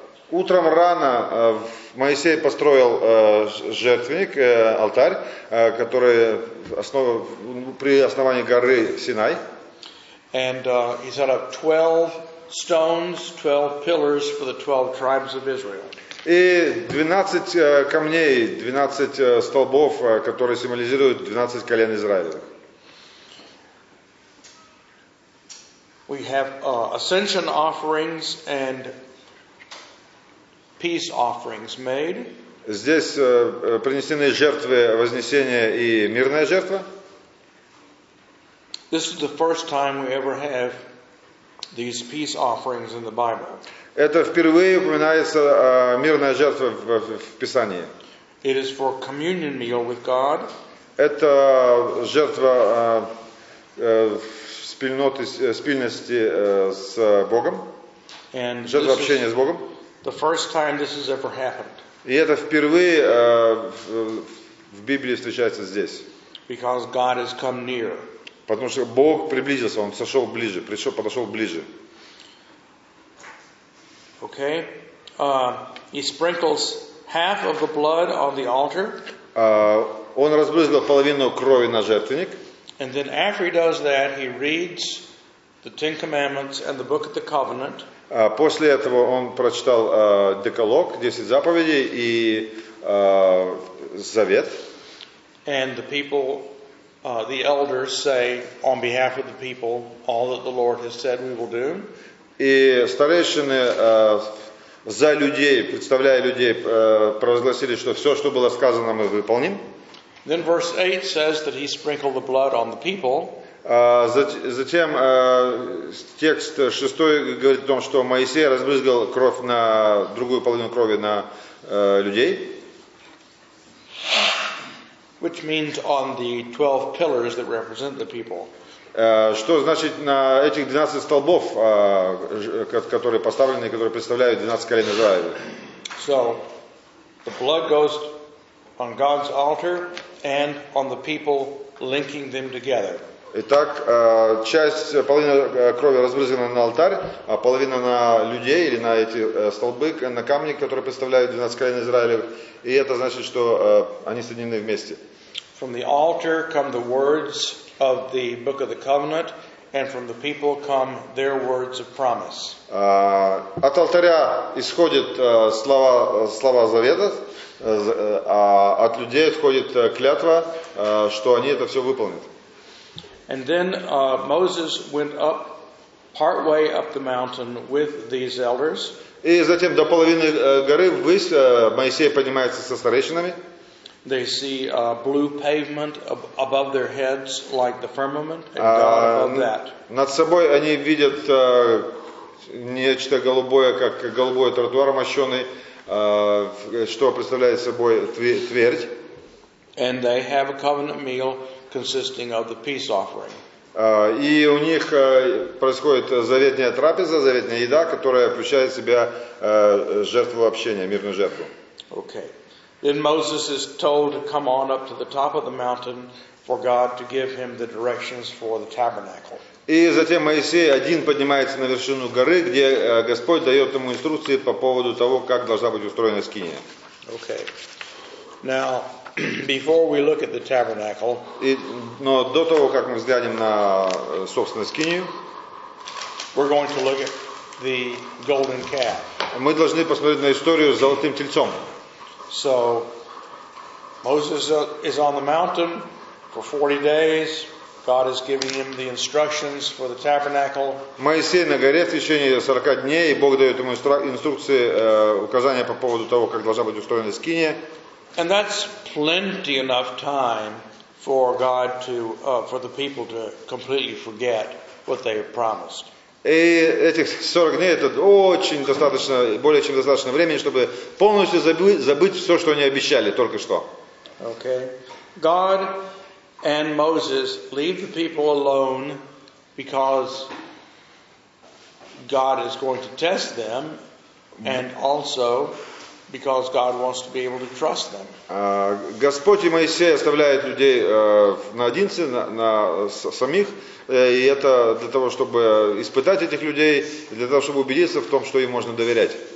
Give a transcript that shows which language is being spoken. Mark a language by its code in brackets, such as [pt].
[ru] Утром рано Моисей построил жертвенник, алтарь, который при основании горы Синай. [en] And he set up 12 stones, 12 pillars for the 12 tribes of Israel. [ru] И 12 камней, 12 столбов, которые символизируют 12 колен Израиля. [en] We have ascension offerings and peace offerings made. [ru] Здесь принесены жертвы вознесения и мирная жертва. [en] This is the first time we ever have these peace offerings in the Bible. [ru] Это впервые упоминается мирная жертва в Писании. [en] It is for communion meal with God. [ru] Это жертва спильности с Богом. [en] And [ru] жертва общения с Богом. [en] The first time this has ever happened. [ru] И это впервые в Библии встречается здесь. [en] Because God has come near. [ru] Потому что Бог приблизился, Он сошел ближе, пришел, подошел ближе. [en] Okay. He sprinkles half of the blood on the altar. [ru] Он разбрызгал половину крови на жертвенник. [en] And then after he does that, he reads the Ten Commandments and the Book of the Covenant. [ru] После этого он прочитал Деколог, 10 заповедей и Завет. [en] And the people, the elders say, on behalf of the people, all that the Lord has said we will do. [ru] И старейшины за людей, представляя людей, провозгласили, что все, что было сказано, мы выполним. [en] Then verse 8 says that he sprinkled the blood on the people. [ru] Затем текст 6 говорит о том, что Моисей разбрызгал кровь на другую половину крови на людей. [en] Which means on the 12 pillars that represent the people. [ru] Что значит на этих 12 столбов, которые поставлены, которые представляют 12 колен Израиля. [en] So, the blood goes on God's altar and on the people linking them together. [ru] Итак, часть, половина крови разбрызгана на алтарь, а половина на людей или на эти столбы, на камни, которые представляют 12 колен Израиля. И это значит, что они соединены вместе. [en] From the altar come the words of the Book of the Covenant, and from the people come their words of promise. [ru] От алтаря исходят слова завета, а от людей исходит клятва, что они это все выполнят. [en] And then Moses went up partway up the mountain with these elders. [ru] И затем до половины горы ввысь Моисей поднимается со старейшинами. [en] They see a blue pavement above their heads like the firmament and God above that. [ru] Над собой они видят нечто голубое, как голубой тротуар мощёный, что представляет собой твердь. [en] And they have a covenant meal consisting of the peace offering. [ru] И у них происходит заветная трапеза, заветная еда, которая включает в себя жертву общения, мирную жертву. [en] Okay. Then Moses is told to come on up to the top of the mountain for God to give him the directions for the tabernacle. [ru] И затем Моисей один поднимается на вершину горы, где Господь дает ему инструкции по поводу того, как должна быть устроена скиния. [en] Okay. Now, before we look at the tabernacle, [ru] но до того, как мы взглянем на собственную скинию, [en] we're going to look at the golden calf. [ru] Мы должны посмотреть на историю с золотым тельцом. [en] So, Moses is on the mountain for 40 days. God is giving him the instructions for the tabernacle. [ru] Моисей на горе в течение 40 дней, и Бог дает ему инструкции, указания по поводу того, как должна быть устроена скиния. [en] And that's plenty enough time for God to, for the people to completely forget what they have promised. [ru] И этих 40 дней это очень достаточно, более чем достаточно времени, чтобы полностью забыть все, что они обещали только что. [en] Okay. God and Moses leave the people alone because God is going to test them and also because God wants to be able to trust them. [ru] Господь и Моисей оставляют людей наедине на самих, и это для того, чтобы испытать этих людей, для того, чтобы убедиться в том, что им можно доверять.